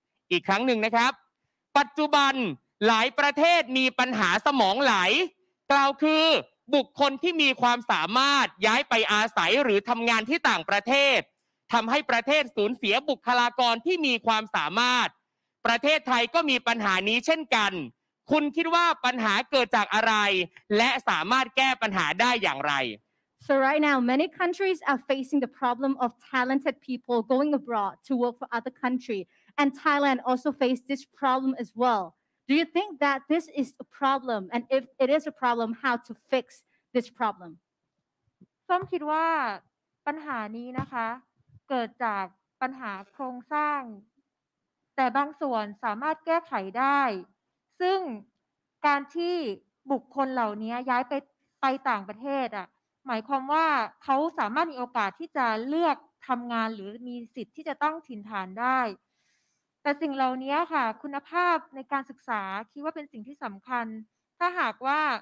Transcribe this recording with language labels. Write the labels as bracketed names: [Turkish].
[Thai] อีกครั้งหนึ่งนะครับปัจจุบันหลายประเทศมีปัญหาสมองไหลกล่าวคือบุคคลที่มีความสามารถย้ายไปอาศัยหรือทำงานที่ต่างประเทศทำให้ประเทศสูญเสียบุคลากรที่มีความสามารถประเทศไทยก็มีปัญหานี้เช่นกันคุณคิดว่าปัญหาเกิดจากอะไรและสามารถแก้ปัญหาได้อย่างไร [English] So right now many countries are facing the problem of talented people going abroad to work for other country and Thailand also faced this problem as well. Do you think that this is a problem? And if it is a problem, how to fix this problem? [Thai] ส้มคิดว่าปัญหานี้นะคะเกิดจากปัญหาโครงสร้างแต่บางส่วนสามารถแก้ไขได้ซึ่งการที่บุคคลเหล่านี้ย้ายไปต่างประเทศอ่ะหมายความว่าเขาสามารถมีโอกาสที่จะเลือกทำงานหรือมีสิทธิ์ที่จะต้องถิ่นฐานได้แต่สิ่งเหล่านี้ค่ะคุณภาพในการศึกษาคิดว่าเป็นสิ่งที่สำคัญถ้าหากว่า